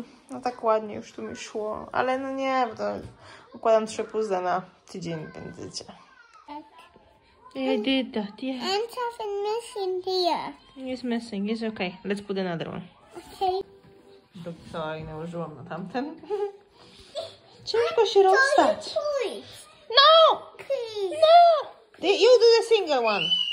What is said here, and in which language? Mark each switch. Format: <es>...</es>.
<pl>No tak ładnie już tu mi szło, ale no nie, bo to układam 3 puzzle na tydzień, będziecie.</pl> <en>Tak. I did that, yeah. And something missing here. It's missing, it's okay. Let's put another one. Okay.</en> <pl>To i nałożyłam na tamten. Ciężko się rozstać. No!</pl> <en>Please. No! You do the single one.</en>